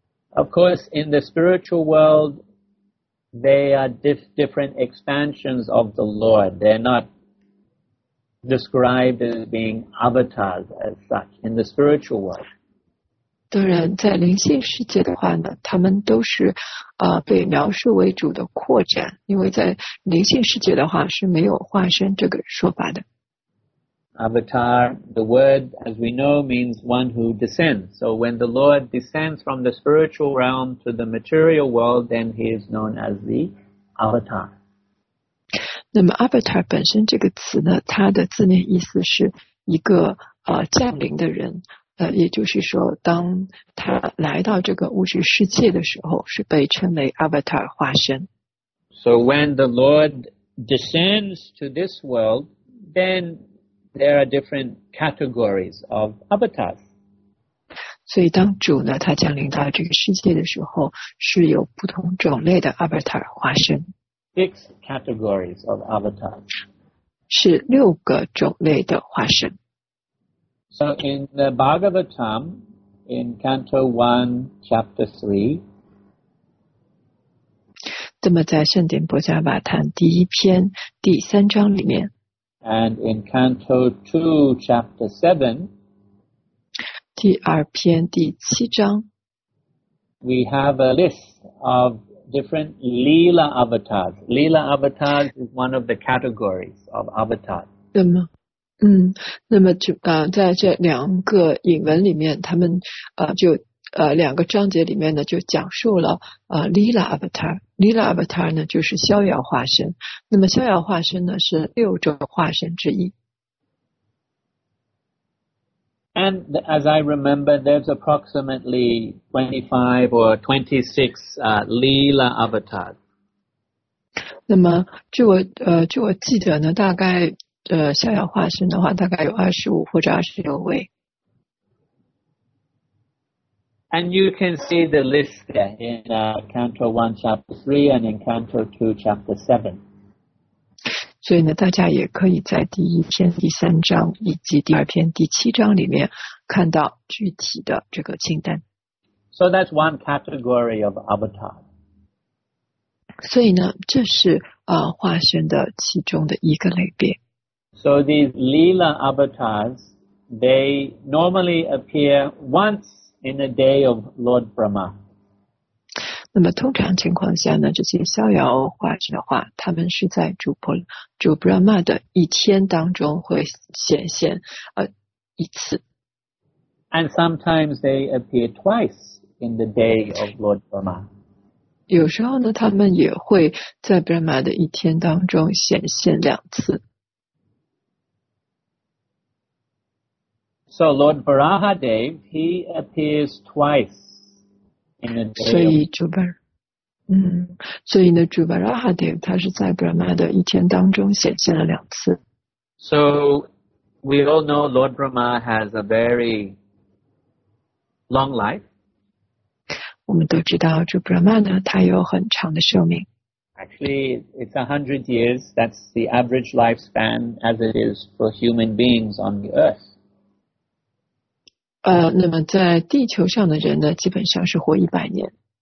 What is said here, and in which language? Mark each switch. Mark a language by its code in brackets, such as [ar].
[en] Of course, in the spiritual world, they are different expansions of the Lord. They're not described as being avatars as such in the spiritual world. [zh] 当然在灵性世界的话呢他们都是被描述为主的扩展因为在灵性世界的话是没有化身这个说法的。 [en] Avatar, the word as we know means one who descends. So when the Lord descends from the spiritual realm to the material world, then he is known as the Avatar. [zh] 那么 Avatar 本身这个词呢它的字面意思是一个降临的人。也就是说当他来到这个物质世界的时候是被称为 Avatar 化身。 [en] So when the Lord descends to this world, then there are different categories of avatars. [zh] 所以当主呢他降临到这个世界的时候是有不同种类的 Avatar 化身。 [en] Six categories of avatars. [zh] 是六个种类的化身。 [en] So in the Bhagavatam, in Canto 1, Chapter [zh] 3, 那么在圣典波迦瓦坛第一篇第三章里面 [en] and in Canto 2, Chapter 7, [zh] 第二篇第七章 [en] we have a list of different Leela avatars. Leela avatars is one of the categories of avatars. [zh] 那么那么就在这两个引文里面他们就两个章节里面呢就讲述了Leela Avatar。 Leela Avatar 呢就是逍遥化身。那么逍遥化身呢是六种化身之一。 [en] And as I remember, there's approximately 25 or 26, Leela Avatars. [zh] 那么据我记得呢大概逍遥化身的话大概有25或者26位。 [en] And you can see the list there in Canto 1 Chapter 3 and in Canto 2 Chapter 7. [zh] 所以呢大家也可以在第一篇第三章以及第二篇第七章里面看到具体的这个清单。 [en] So that's one category of avatar. [zh] 所以呢这是化身的其中的一个类别。 [en] So these Leela avatars, they normally appear once in a day of Lord Brahma. [zh] 那么通常情况下呢，这些逍遥化身的话，他们是在主 Brahma 的一天当中会显现一次。 [en] And sometimes they appear twice in the day of Lord Brahma. [zh] 有时候呢，他们也会在 Brahma 的一天当中显现两次。 [en] So Lord Varahadev, he appears twice in the day. [zh] 所以主巴，所以呢，主 Varahadev 他是在 Brahma 的一天当中显现了两次。 [en] So we all know Lord Brahma has a very long life. [zh] 我们都知道主 Brahma 呢，他有很长的寿命。 [en] Actually, it's 100 years. That's the average lifespan as it is for human beings on the earth. [zh] 那么在地球上的人呢，基本上是活一百年。